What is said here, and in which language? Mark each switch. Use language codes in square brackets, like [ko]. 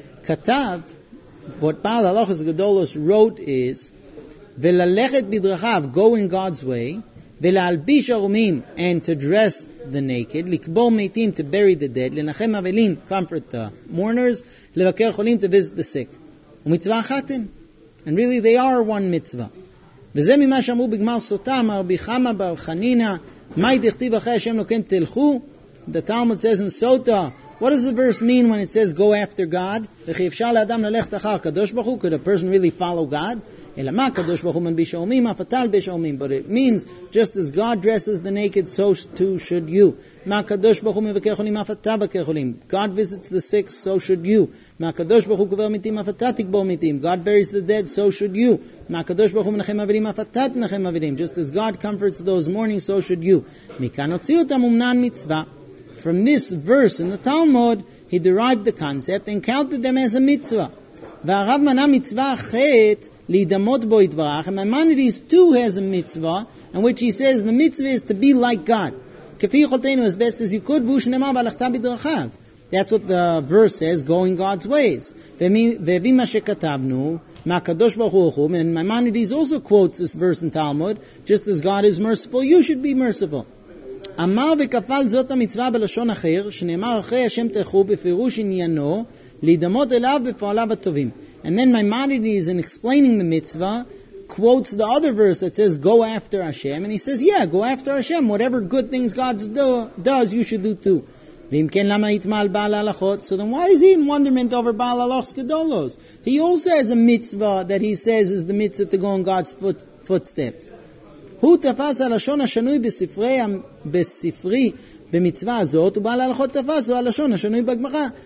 [en] Katav, what Baal Halachos Gedolos wrote is, V'lalechet bidrachav, go in God's way, [he] ולהלביש ערומים, [en] and to dress the naked, [he] לקבור מתים, [en] to bury the dead, [he] לנחם אבלים, [en] comfort the mourners, [he] לבקר חולים, [en] to visit the sick. [he] ומצווה אחת הן. [en] And really, they are one mitzvah. [he] וזה ממה שאמרו בגמר סוטה, מרבי חמא בר חנינא, מה דכתיב אחרי השם לוקם תלכו? [en] The Talmud says in Sota, what does the verse mean when it says, go after God? [he] וכי אפשר לאדם ללכת אחר הקדוש ברוך הוא? [en] Could a person really follow God? But it means, just as God dresses the naked, so too should you. God visits the sick, so should you. God buries the dead, so should you. Just as God comforts those mourning, so should you. From this verse in the Talmud, he derived the concept and counted them as a mitzvah. [he] והרב מנה מצווה אחת להידמות בו יתברך, [en] and Maimonides too has a mitzvah, in which he says the mitzvah is to be like God. [he] כפי יכולתנו, [en] as best as you could, [he] והוא שנאמר והלכת בדרכיו. [en] That's what the verse says, going God's ways. [he] והביא מה שכתבנו, מהקדוש ברוך הוא הוכו, [en] and Maimonides also quotes this verse in Talmud, just as God is merciful, you should be merciful. [he] אמר וכפל זאת המצווה בלשון אחר, שנאמר אחרי השם תלכו בפירוש עניינו, לידמות אליו בפועליו הטובים. [en] And then Maimonides, in explaining the mitzvah, quotes the other verse that says, go after Hashem, and he says, yeah, go after Hashem, whatever good things God does, you should do too. [he] ואם כן למה יתמעל בעל הלכות? [en] So then why is he in wonderment over בעל הלכות גדולות? He also has a mitzvah that he says is the mitzvah to go in God's footsteps. [he] הוא תפס הלשון השנוי בספרי במצווה הזאת, ובעל הלכות תפס, הוא הלשון השנוי בגמרא.